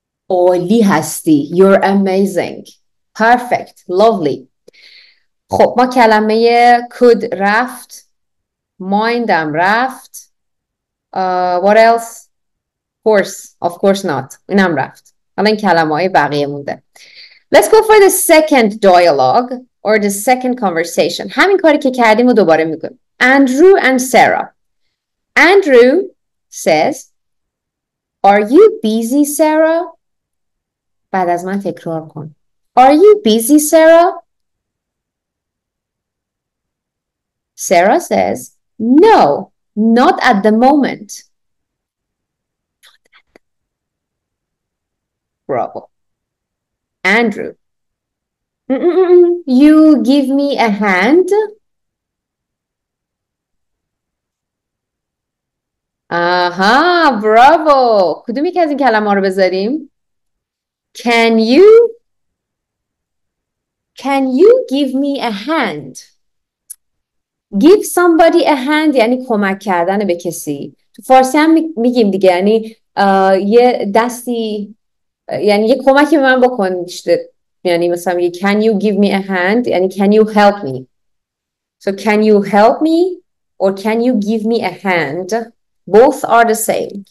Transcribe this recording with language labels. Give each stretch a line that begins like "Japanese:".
Persian: عالی هستی.
English: You're amazing. Perfect. Lovely.
Persian: خب ما کلمه could رفت. Mindم رفت.
English: What else? Of course not.
Persian: اینم رفت. حالا این کلمه های بقیه مونده.
English: Let's go for the second dialogue or the second conversation.
Persian: همین کاری که کردیم رو دوباره میکنیم.
English: Andrew and Sarah. Andrew says, are you busy, Sarah?
Persian: بعد از من تکرار کن.
English: Are you busy, Sarah? Sarah says, no, not at the moment. Bravo. Andrew. You give me a hand?
Persian: Aha, bravo. کدومی که از این کلمه رو بذاریم؟
English: Can you give me a hand? Give somebody a hand
Persian: یعنی کمک کردن به کسی. تو فارسی هم میگیم دیگه، یعنی یه دستی، یعنی یه کمکی به من بکن. یعنی مثلا میگه
English: can you give me a hand،
Persian: یعنی
English: can you help me. So can you help me or can you give me a hand, both are the same.